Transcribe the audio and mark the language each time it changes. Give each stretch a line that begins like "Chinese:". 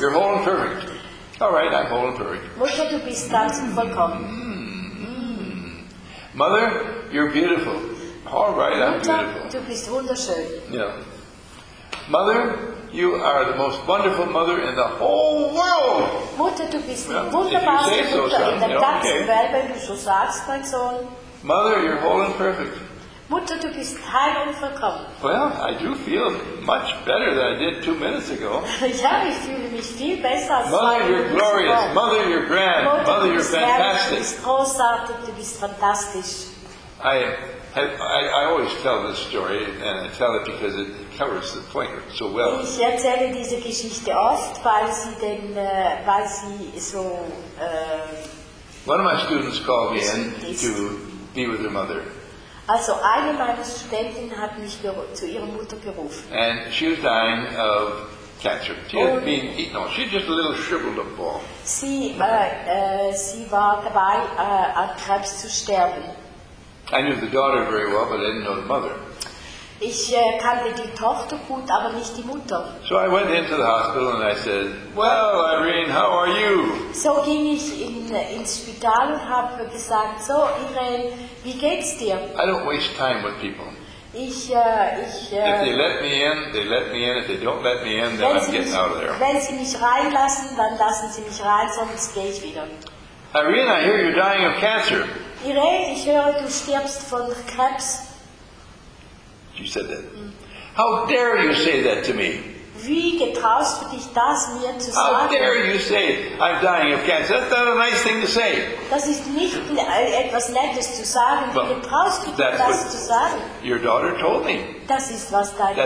English: You're whole and perfect. All right, I'm whole and perfect.
German: Mutter, du bist ganz und vollkommen.
English: Mother, you're beautiful. All right,
German: Mutter,
English: I'm beautiful.
German: Du bist wunderschön.
English: Yeah. Mother, you are the most wonderful mother in the whole world.
German: Mutter, du bist die wunderbarste Mutter in der ganzen Welt, wenn du so sagst, mein Sohn.
English: Mother, you're whole and perfect.
German: Mutter, du bist heil und vollkommen.
English: Well, I do feel much better than I did 2 minutes ago.
German: Ja, ich fühle mich viel besser als
English: Mother, you're glorious. Mother, you're grand.
German: Mutter,
English: mother, you're fantastic.
German: Du bist großartig. Du bist fantastisch.
English: I always tell this story, and I tell it because it covers the point so well.
German: Ich erzähle diese Geschichte oft, weil sie so.
English: One of my students called me in to be with her mother.
German: Also eine meiner Studentinnen hat mich zu ihrer Mutter gerufen.
English: And she was dying of cancer. She had been eaten. She was just a little shriveled up ball.
German: Sie war dabei an Krebs zu sterben.
English: I knew the daughter very well, but I didn't know the mother.
German: Ich kannte die Tochter gut, aber nicht die Mutter.
English: So I went into the hospital and I said, "Well, Irene, how are you?"
German: So ging ich ins Spital und habe gesagt, "So, Irene, wie geht's dir?"
English: I don't waste time with people. If they let me in, they let me in. If they don't let me in, then I'm getting out of there.
German: Wenn sie mich reinlassen, dann lassen sie mich rein, sonst gehe ich wieder.
English: Irene, I hear you're dying of cancer.
German: Irene, ich höre, du stirbst von Krebs.
English: You said that. How dare you say that to me?
German: Wie getraust du dich das mir zu sagen?
English: How dare you say I'm dying of cancer? That's not a nice thing to say.
German: Das ist nicht etwas Nettes zu sagen. Wie getraust du dich das zu sagen?
English: Your daughter told me.
German: Das ist was deine Tochter.